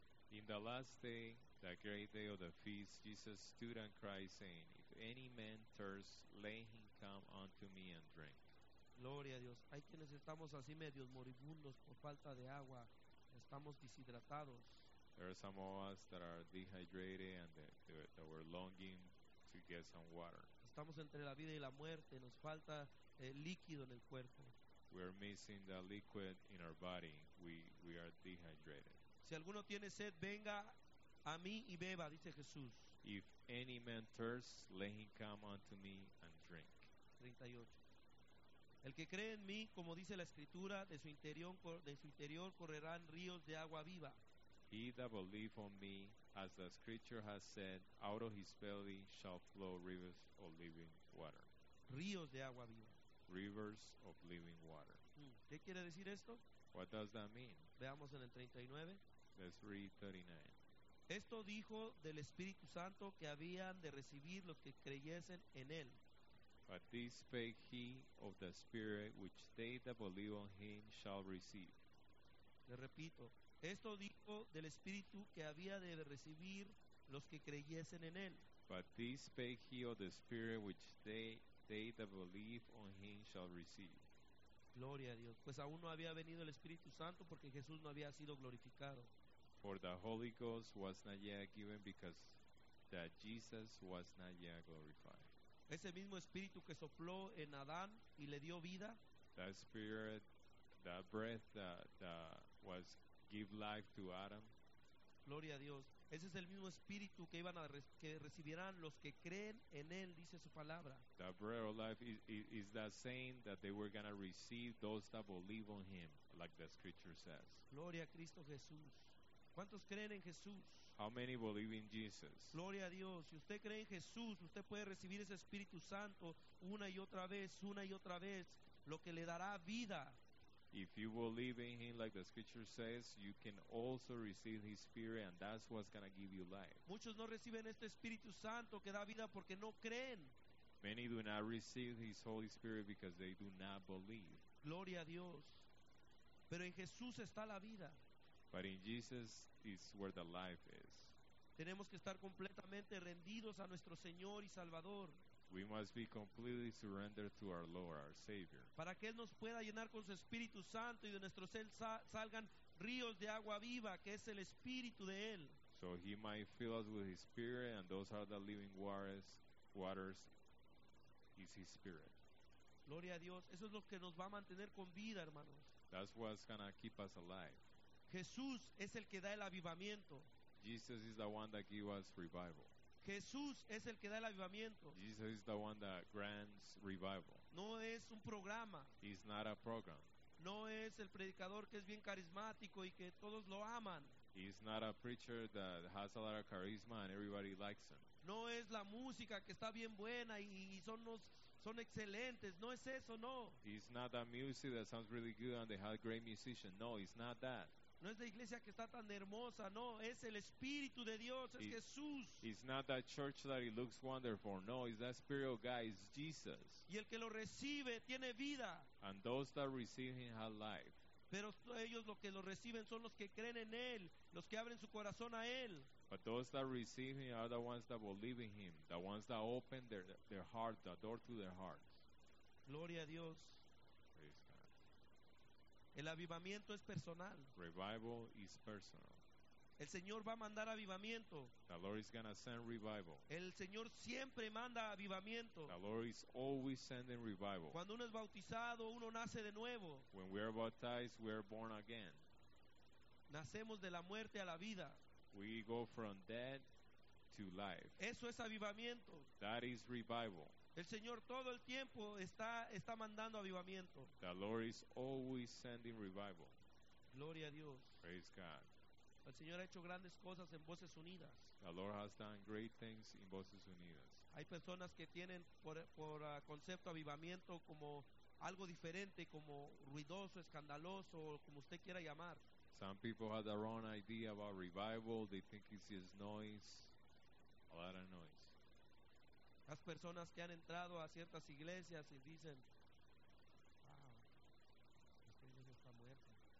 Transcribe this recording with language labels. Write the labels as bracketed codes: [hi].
[en] In the last day, the great day of the feast, Jesus stood and cried, saying, if any man thirst, let him come unto me and drink. [es] Gloria a Dios. Hay quienes estamos así medios moribundos por falta de agua. Estamos deshidratados. [en] There are some of us that are dehydrated and that we're longing to get some water. [es] estamos entre la vida y la muerte, nos falta líquido en el cuerpo. [en] We are missing the liquid in our body. We are dehydrated. [es] Si alguno tiene sed, venga a mí y beba, dice Jesús. [en] If any man thirsts, let him come unto me and drink. [es] 38. El que cree en mí, como dice la Escritura, de su interior correrán ríos de agua viva. [en] He that believes on me, as the Scripture has said, out of his belly shall flow rivers of living water. [es] Ríos de agua viva. [en] Rivers of living water. [es] ¿Qué quiere decir esto? [en] What does that mean? [es] Veamos en el 39. [en] Let's read 39. [es] Esto dijo del Espíritu Santo que habían de recibir los que creyesen en él. [en] But this spake he of the Spirit which they that believe on him shall receive. [es] Le repito. Esto dijo del Espíritu que había de recibir los que creyesen en él. [en] But this spake he of the Spirit which they that believe on him shall receive. [es] Gloria a Dios. Pues aún no había venido el Espíritu Santo porque Jesús no había sido glorificado. [en] For the Holy Ghost was not yet given because that Jesus was not yet glorified. [es] Ese mismo Espíritu que sopló en Adán y le dio vida. [en] That Spirit, that breath that was give life to Adam. [es] Gloria a Dios. Ese es el mismo Espíritu que iban a que recibirán los que creen en él, dice su palabra. [en] The bread of life is that saying that they were going to receive those that believe on him, like the Scripture says. [es] Gloria a Cristo Jesús. ¿Cuántos creen en Jesús? [en] How many believe in Jesus? [es] Gloria a Dios. Si usted cree en Jesús, usted puede recibir ese Espíritu Santo una y otra vez, lo que le dará vida. [en] If you believe in him, like the Scripture says, you can also receive his Spirit, and that's what's going to give you life. [es] Muchos no reciben este Espíritu Santo que da vida porque no creen. [en] Many do not receive his Holy Spirit because they do not believe. [es] Gloria a Dios. Pero en Jesús está la vida. [en] But in Jesus is where the life is. [es] Tenemos que estar completamente rendidos a nuestro Señor y Salvador. [en] We must be completely surrendered to our Lord, our Savior. [es] Para que Él nos pueda llenar con su Espíritu Santo y de nuestro ser salgan ríos de agua viva, que es el Espíritu de Él. [en] So He might fill us with His Spirit, and those are the living waters is His Spirit. [es] Gloria a Dios. Eso es lo que nos va a mantener con vida, hermanos. [en] That's what's going to keep us alive. [es] Jesús es el que da el avivamiento. [en] Jesus is the one that gives us revival. [es] Jesús es el que da el avivamiento. [en] Jesus is the one that grants revival. [es] No es un programa. [en] It's not a program. [es] No es el predicador que es bien carismático y que todos lo aman. [en] It's not a preacher that has a lot of charisma and everybody likes him. [es] No es la música que está bien buena y son excelentes. No es eso, no. [en] It's not that music that sounds really good and they have great musicians. No, it's not that. [es] No es la iglesia que está tan hermosa, no, es el Espíritu de Dios, es Jesús. [en] It's not that church that it looks wonderful, no, it's that Spirit of God, it's Jesus. [es] Y el que lo recibe tiene vida. [en] And those that receive him have life. [es] Pero ellos lo que lo reciben son los que creen en él, los que abren su corazón a él. [en] But those that receive him are the ones that believe in him, the ones that open their heart, the door to their hearts. [es] Gloria a Dios. [en] Praise God. [es] El avivamiento es personal. [en] Revival is personal. [es] El Señor va a mandar avivamiento. [en] The Lord is going to send revival. [es] El Señor siempre manda avivamiento. [en] The Lord is always sending revival. [es] Cuando uno es bautizado, uno nace de nuevo. [en] When we are baptized, we are born again. [es] Nacemos de la muerte a la vida. [en] We go from death to life. [es] Eso es avivamiento. [en] That is revival. [es] El Señor todo el tiempo está mandando avivamiento. [en] The Lord is always sending revival. [es] Gloria a Dios. [en] Praise God. [es] El Señor ha hecho grandes cosas en Voces Unidas. [en] The Lord has done great things in Voces Unidas. [es] Hay personas que tienen por concepto avivamiento como algo diferente, como ruidoso, escandaloso, como usted quiera llamar. [en] Some people have their own idea about revival. They think it's just noise, a lot of noise. [es] Las personas que han entrado a ciertas iglesias y dicen, wow, esta iglesia está muerta.